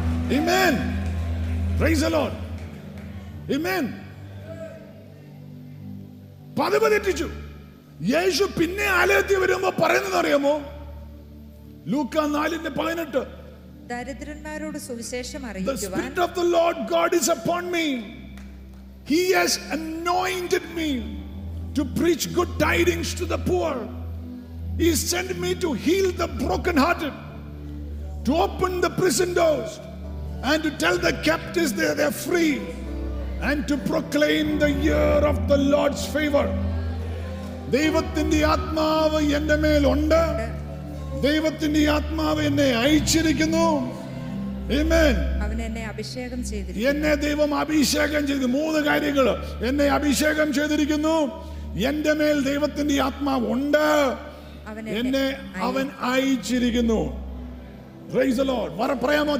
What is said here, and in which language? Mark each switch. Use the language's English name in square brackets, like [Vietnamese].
[English] Amen. Praise the Lord. Amen. [Malayalam] പതിവ് തെറ്റിച്ചു. യേശു പിന്നെ ആലയത്തിൽ വരുമ്പോ പറയുന്നത് അറിയാമോ? [English] Luke 4:18. [Malayalam] ദരിദ്രന്മാരോട് സുവിശേഷം അറിയിക്കുവാൻ. [English] The spirit of the Lord God is upon me. He has anointed me to preach good tidings to the poor. He sent me to heal the brokenhearted, to open the prison doors, and to tell the captives that they are free, and to proclaim the year of the Lord's favor. [Malayalam] ദൈവത്തിന്റെ ആത്മാവ് എന്റെ മേൽ ഉണ്ട്. ദൈവത്തിന്റെ ആത്മാവ് എന്നെ അയച്ചിരിക്കുന്നു. എന്നെ ദൈവം അഭിഷേകം ചെയ്തു. 3 കാര്യങ്ങൾ എന്നെ അഭിഷേകം ചെയ്തിരിക്കുന്നു. എന്റെ മേൽ ദൈവത്തിന്റെ ആത്മാവ് ഉണ്ട്. എന്നെ അവൻ അയച്ചിരിക്കുന്നു. [English] Praise the Lord. [Malayalam] വേറെ പറയാമോ?